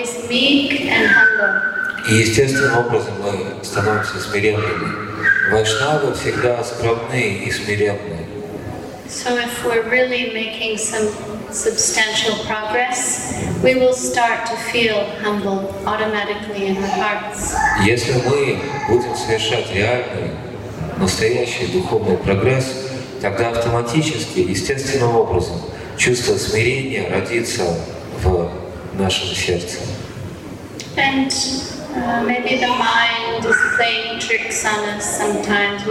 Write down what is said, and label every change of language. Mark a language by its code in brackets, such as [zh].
[ru] И естественным образом мы становимся смиренными. Вайшнавы всегда скромные и смиренные. [en] So if we're really making some substantial progress, we will start to feel humble automatically in our hearts. [ru] Если мы будем совершать реальный, настоящий духовный прогресс, тогда автоматически, естественным образом, чувство смирения родится в нашем сердце. [en] And maybe the mind is playing tricks on us sometimes.